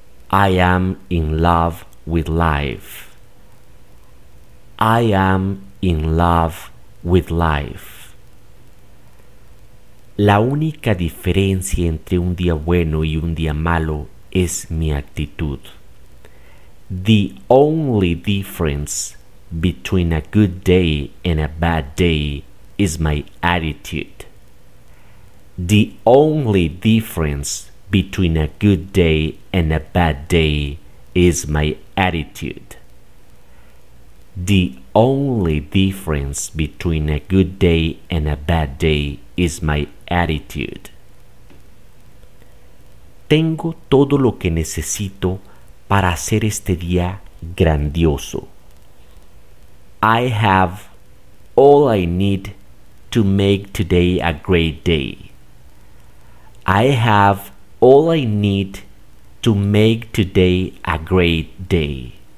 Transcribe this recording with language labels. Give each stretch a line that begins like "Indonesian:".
English: I am in love with life. I am in love with life.
Spanish: La única diferencia entre un día bueno y un día malo es mi actitud.
English: The only difference between a good day and a bad day is my attitude. The only difference between a good day and a bad day is my attitude. The only difference between a good day and a bad day is my attitude.
Spanish: Tengo todo lo que necesito para hacer este día grandioso.
English: I have all I need to make today a great day. I have all I need to make today a great day.